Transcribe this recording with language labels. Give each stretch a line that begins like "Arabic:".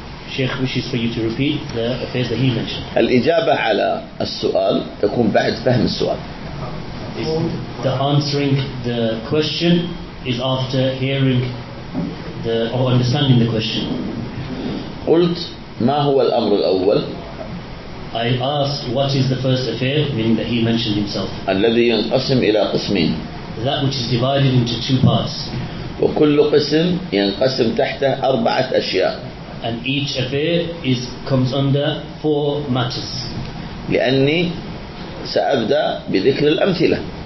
English: Sheikh wishes for you to repeat the affairs that he mentioned.
Arabic: الإجابة على السؤال تكون بعد فهم السؤال.
English: The answering the question is after hearing the or understanding the question.
Arabic: قلت ما هو الأمر الأول؟
English: I asked what is the first affair, meaning that he mentioned himself.
Arabic: الذي ينقسم إلى قسمين.
English: That which is divided into two parts.
Arabic: وكل قسم ينقسم تحته أربعة أشياء.
English: And each affair is comes under four matters.
Arabic: لأني سأبدأ بذكر الأمثلة.